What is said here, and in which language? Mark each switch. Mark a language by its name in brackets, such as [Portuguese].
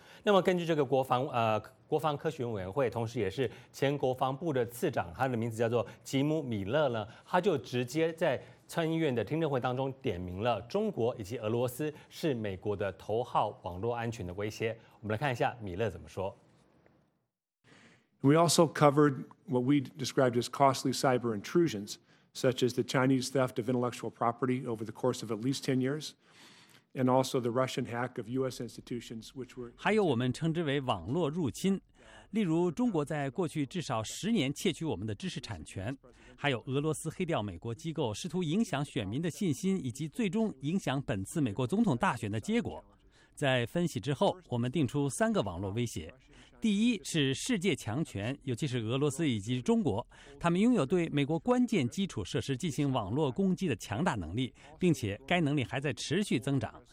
[Chinese] 那么根据这个国防科学委员会，同时也是前国防部的次长，他的名字叫做吉姆米勒呢，他就直接在参议院的听证会当中点名了中国以及俄罗斯是美国的头号网络安全的威胁。我们来看一下米勒怎么说。 [English] We also covered what we described as costly cyber intrusions, such as the Chinese theft of intellectual property over the course of at least 10 years, and also the Russian hack of U.S. institutions, which were [Chinese] 还有我们称之为网络入侵，例如中国在过去至少10年窃取我们的知识产权。还有俄罗斯黑掉美国机构，试图影响选民的信心，以及最终影响本次美国总统大选的结果。在分析之后，我们定出3个网络威胁。第一是世界强权，尤其是俄罗斯以及中国，他们拥有对美国关键基础设施进行网络攻击的强大能力，并且该能力还在持续增长。